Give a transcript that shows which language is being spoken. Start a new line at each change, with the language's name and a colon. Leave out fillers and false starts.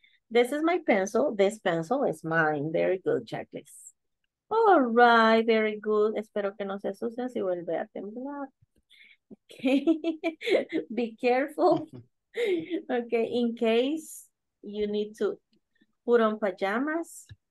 English: This is my pencil, this pencil is mine. Very good, checklist. All right, very good.
Spanish: Espero que no se asusten si vuelve a temblar.
English: Okay, be careful. Okay, in case you need to put on pajamas,